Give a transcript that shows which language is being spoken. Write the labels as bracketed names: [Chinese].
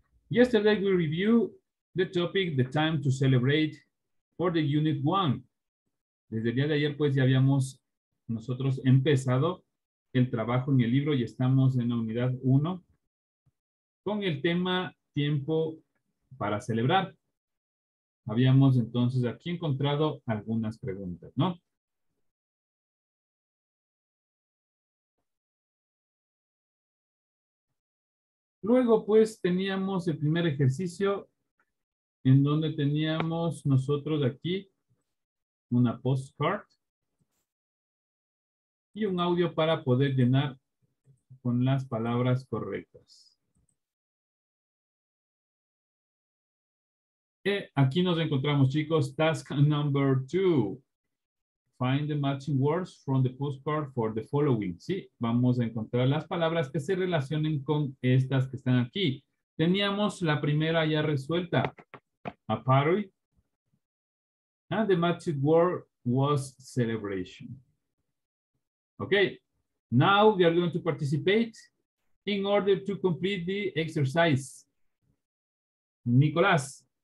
[English] Yesterday, we reviewed the topic, the time to celebrate for the unit one. [Spanish] Desde el día de ayer, pues, ya habíamos nosotros empezado el trabajo en el libro y estamos en la unidad uno con el tema tiempo para celebrar. Habíamos entonces aquí encontrado algunas preguntas, ¿no? Luego, pues, teníamos el primer ejercicio en donde teníamos nosotros aquí una postcard y un audio para poder llenar con las palabras correctas. Aquí nos encontramos, chicos, [English] task number two. Find the matching words from the postcard for the following. [Spanish] Sí, vamos a encontrar las palabras que se relacionen con estas que están aquí. Teníamos la primera ya resuelta. [English] A party. And the matching word was celebration. Okay. Now we are going to participate in order to complete the exercise. Nicolás.